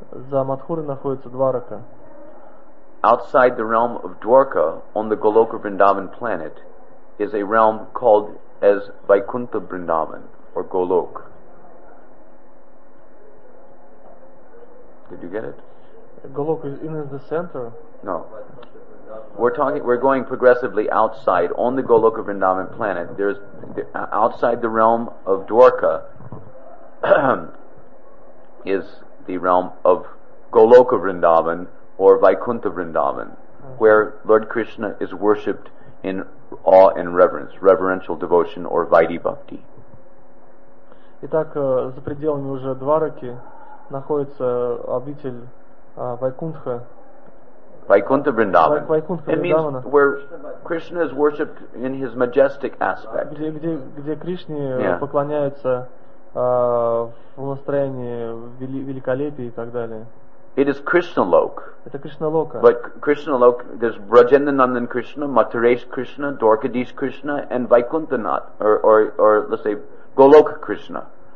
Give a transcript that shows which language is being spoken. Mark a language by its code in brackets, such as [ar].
[ru] За Матхурой находится Дварака. [en] Outside the realm of Dwarka, on the Goloka Vrindavan planet, is a realm called as Vaikuntha Vrindavan or Golok. Did you get it? Golok is in the center. No. We're going progressively outside on the Goloka Vrindavan planet. There's outside the realm of Dwarka is the realm of Goloka Vrindavan or Vaikuntha Vrindavan, where Lord Krishna is worshipped in awe and reverence, reverential devotion or Vaidhi Bhakti. [ru] Итак, за пределами уже Двараки находится обитель Вайкунтха. [en] Vaikuntha Vrindavan. Vaikuntha it Vrindavana. Means where Krishna is worshipped in his majestic aspect. [ru] Где Кришне поклоняются в настроении великолепия и так далее. [en] It is Krishna Lok. [ru] Это Кришна Лока. [en] But Krishna Lok, there's Brajendra Nandan Krishna, Mathuresh Krishna, Dwarkadish Krishna, and Vaikunthanath, or let's say Golok Krishna.